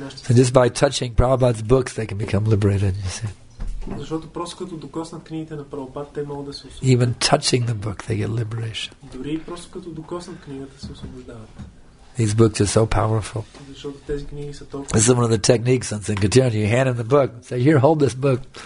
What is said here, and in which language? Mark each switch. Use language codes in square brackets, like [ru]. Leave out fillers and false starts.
[en] And just by touching Prabhupada's books, they can become liberated, you see. [bg] Защото просто като докоснат книгите на Прабхупада, те могат да се освободят. [en] Even touching the book, they get liberation. [bg] Дори просто като докоснат книгата, се освобождават. [en] These books are so powerful. This is one of the techniques on Sankirtan. You hand him the book. Say, here, hold this book.